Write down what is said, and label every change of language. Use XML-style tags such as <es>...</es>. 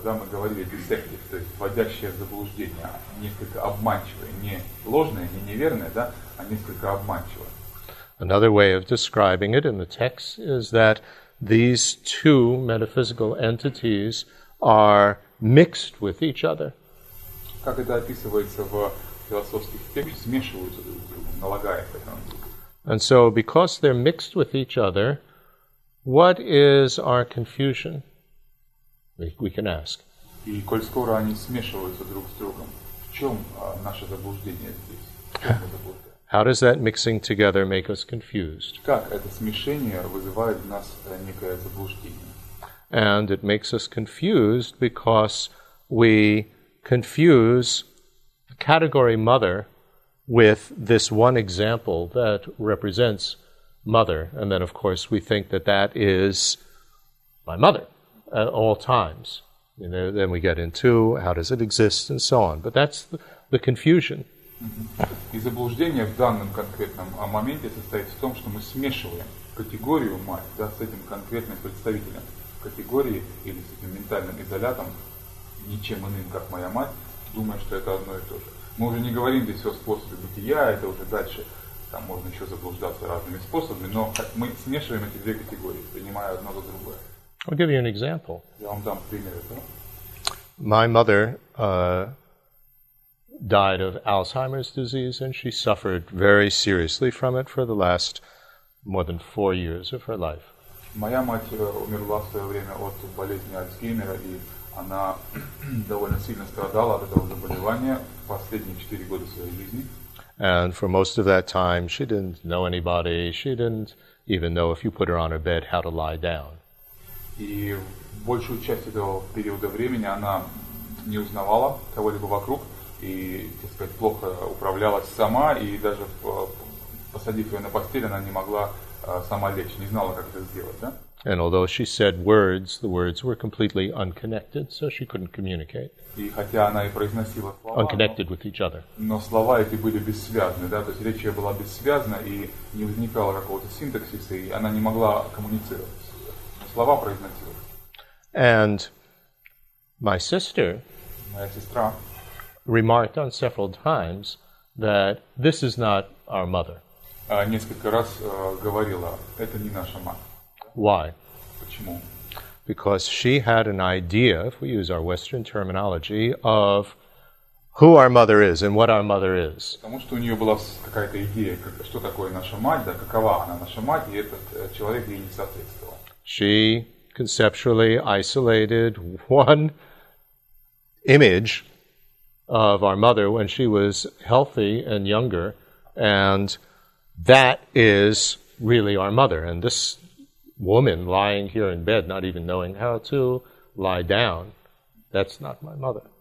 <ru>Да, мы говорили deceptive, то есть вводящее заблуждение, несколько обманчивое, не ложное, не неверное, да, а несколько обманчивое.</ru> <en>Another way of describing it in the text is that these two metaphysical entities are mixed with each other.</en> <ru>Как это описывается в философских текстах, смешиваются друг с другом, налагаются друг на друга.</ru> <en>And so, because they're mixed with each other, what is our confusion? We can ask.</en> <ru>И коль скоро они смешиваются друг с другом, в чем наше заблуждение здесь? В чем заблуждение?</ru> <en>How does that mixing together make us confused?</en> <ru>Как это смешение вызывает в нас некое заблуждение?</ru> <en>And it makes us confused because we confuse the category mother with this one example that represents mother. And then, of course, we think that that is my mother at all times. You know, then we get into how does it exist and so on. But that's the confusion.</en> <ru>И заблуждение в данном конкретном моменте состоит в том, что мы смешиваем категорию мать, да, с этим конкретным представителем категории или с этим ментальным изолятом, ничем иным, как моя мать, думая, что это одно и то же. Мы уже не говорим здесь о способе бытия, это уже дальше, там можно еще заблуждаться разными способами, но мы смешиваем эти две категории, принимая одно за другое.</ru> <en>I'll give you an example.</en> <ru>Я вам дам пример этого.</ru> <en>My mother died of Alzheimer's disease, and she suffered very seriously from it for the last more than 4 years of her life.</en> <ru>Моя мать умерла в свое время от болезни Альцгеймера, и она довольно сильно страдала от этого заболевания последние 4 года своей жизни.</ru> <en>And for most of that time, she didn't know anybody. She didn't even know if you put her on her bed how to lie down.</en> <ru>И большую часть этого периода времени она не узнавала кого-либо вокруг. И, так сказать, плохо управлялась сама, и даже посадив ее на постель, она не могла сама лечь, не знала, как это сделать, да?</ru> <en>And although she said words, the words were completely unconnected, so she couldn't communicate.</en> <ru>И хотя она и произносила слова,</ru> <en>unconnected with each other.</en> <ru>Но слова эти были бессвязны, да, то есть речь ее была бессвязна, и не возникало какого-то синтаксиса, и она не могла коммуницировать. Но слова произносила.</ru> <en>And my sister,</en> <ru>моя сестра,</ru> <en>remarked on several times that this is not our mother.</en> <ru>Несколько раз говорила, это не наша мать.</ru> <en>Why?</en> <ru>Почему?</ru> <en>Because she had an idea, if we use our Western terminology, of who our mother is and what our mother is.</en> <ru>Потому что у нее была какая-то идея, что такое наша мать, да, какова она, наша мать, и этот человек ей не соответствовал.</ru> <en>She conceptually isolated one image of our mother when she was healthy and younger, and that is really our mother. And this woman lying here in bed, not even knowing how to lie down, that's not my mother.</en>